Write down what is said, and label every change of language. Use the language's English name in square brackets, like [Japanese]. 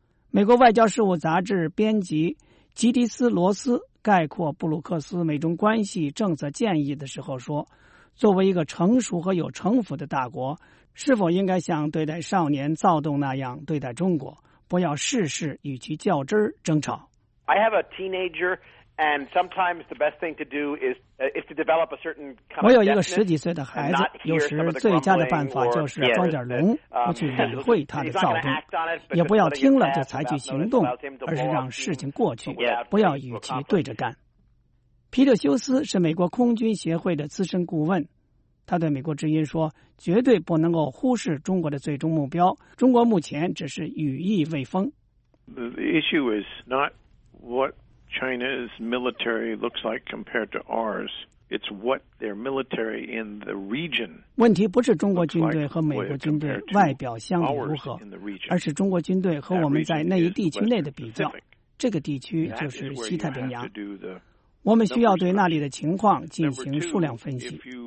[Chinese] 美国外交事务杂志编辑吉迪斯·罗斯概括布鲁克斯美中关系政策建议的时候说，作为一个成熟和有城府的大国，是否应该像对待少年躁动那样对待中国，不要事事与其较真争吵。 [English] I have a teenager, and sometimes the best thing to do is to develop a certain kind of deafness. [Chinese] 我有一个十几岁的孩子，有时最佳的办法就是装点聋，不去理会他的躁动，也不要听了就采取行动，而是让事情过去，不要与其对着干。皮特休斯是美国空军协会的资深顾问。他对美国之音说，绝对不能够忽视中国的最终目标，中国目前只是羽翼未丰。 [English] The issue is not what China's military looks like compared to ours. It's what their military in the region. [Chinese] 问题不是中国军队和美国军队外表相比如何，而是中国军队和我们在那一地区内的比较。这个地区就是西太平洋。我们需要对那里的情况进行数量分析。